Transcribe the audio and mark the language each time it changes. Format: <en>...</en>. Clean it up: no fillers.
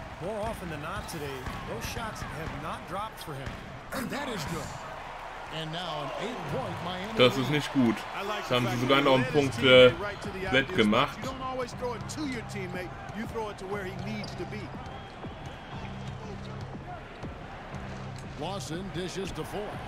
<en>More often than not today, those shots have not dropped for him. That is good. And now an 8-point Miami.</en> <de>Das ist nicht gut. Das haben sie sogar noch einen Punkt wettgemacht.</de> <en>You don't always throw it to your teammate. You throw it to where he needs to be. Lawson dishes to Ford.</en>